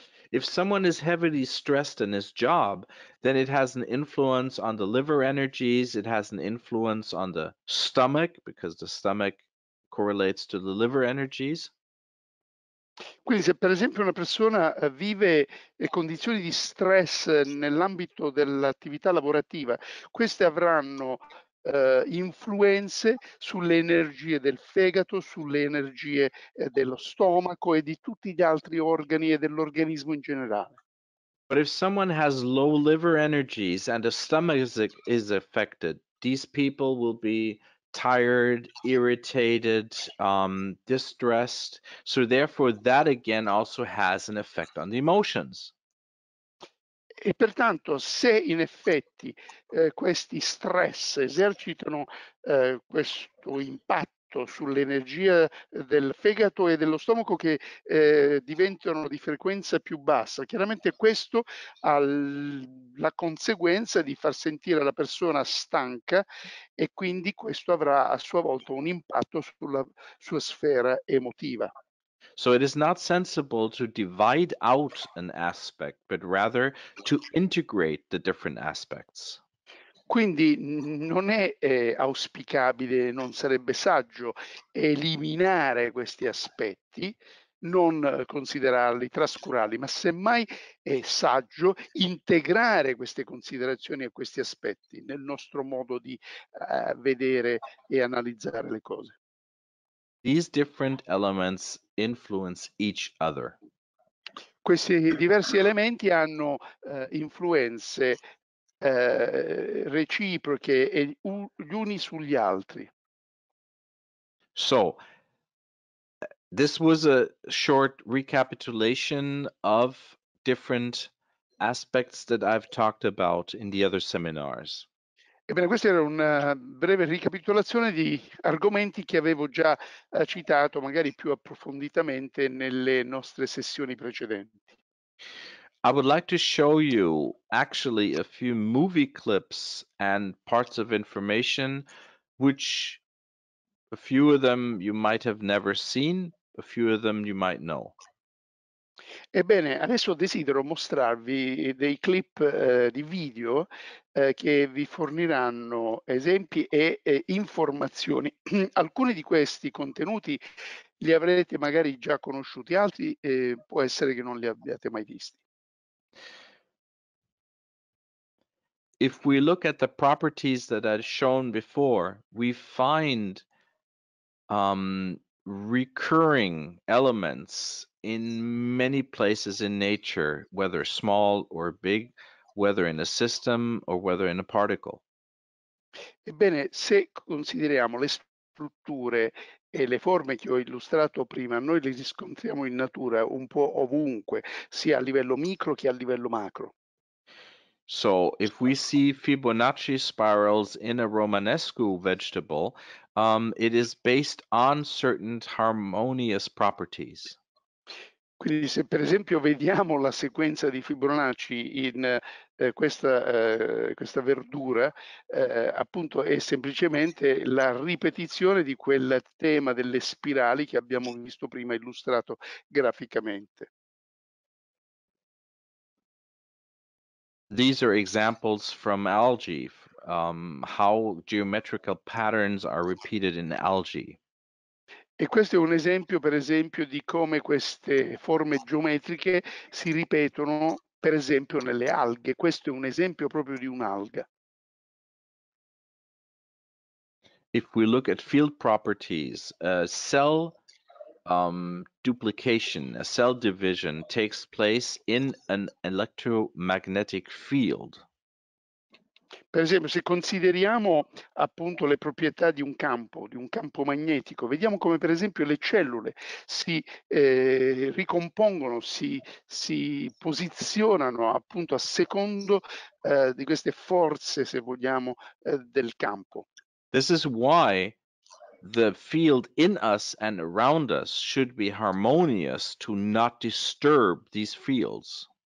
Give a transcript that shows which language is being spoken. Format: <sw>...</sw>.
<en>If someone is heavily stressed in his job, then it has an influence on the liver energies, it has an influence on the stomach, because the stomach correlates to the liver energies.</en> <it>Quindi se per esempio una persona vive condizioni di stress nell'ambito dell'attività lavorativa, queste avranno influenze sulle energie del fegato, sulle energie dello stomaco e di tutti gli altri organi e dell'organismo in generale.</it> <en>But if someone has low liver energies and the stomach is affected, these people will be tired, irritated, distressed. So therefore that again also has an effect on the emotions.</en> <it>E pertanto, se in effetti questi stress esercitano questo impatto sull'energia del fegato e dello stomaco che diventano di frequenza più bassa, chiaramente questo ha la conseguenza di far sentire la persona stanca e quindi questo avrà a sua volta un impatto sulla sua sfera emotiva.</it> <en>So it is not sensible to divide out an aspect, but rather to integrate the different aspects.</en> <it>Quindi non è auspicabile, non sarebbe saggio eliminare questi aspetti, non considerarli, trascurarli, ma semmai è saggio integrare queste considerazioni e questi aspetti nel nostro modo di vedere e analizzare le cose.</it> <en>These different elements influence each other.</en> <it>Questi diversi elementi hanno influenze reciproche gli uni sugli altri.</it> <en>So, this was a short recapitulation of different aspects that I've talked about in the other seminars.</en> <it>Ebbene, questa era una breve ricapitolazione di argomenti che avevo già citato, magari più approfonditamente, nelle nostre sessioni precedenti.</it> <en>I would like to show you actually a few movie clips and parts of information, which a few of them you might have never seen, a few of them you might know.</en> <it>Ebbene, adesso desidero mostrarvi dei clip di video che vi forniranno esempi e informazioni. Alcuni di questi contenuti li avrete magari già conosciuti, altri può essere che non li abbiate mai visti.</it> <en>If we look at the properties that I've shown before, we find recurring elements in many places in nature, whether small or big, whether in a system or whether in a particle.</en> <it>Ebbene, se consideriamo le strutture e le forme che ho illustrato prima, noi le riscontriamo in natura un po' ovunque, sia a livello micro che a livello macro.</it> <en>So, if we see Fibonacci spirals in a Romanescu vegetable, it is based on certain harmonious properties.</en> <it>Quindi se per esempio vediamo la sequenza di Fibonacci in questa verdura, appunto è semplicemente la ripetizione di quel tema delle spirali che abbiamo visto prima illustrato graficamente.</it> <en>These are examples from algae, how geometrical patterns are repeated in algae.</en> <it>E questo è un esempio, per esempio, di come queste forme geometriche si ripetono, per esempio, nelle alghe. Questo è un esempio proprio di un'alga.</it> <en>If we look at field properties, cell duplication, a cell division takes place in an electromagnetic field.</en> <it>Per esempio, se consideriamo appunto le proprietà di un campo magnetico, vediamo come per esempio le cellule si ricompongono, si posizionano appunto a secondo di queste forze, se vogliamo, del campo.</it> <en>This is why the field in us and around us should be harmonious to not disturb these fields.</en>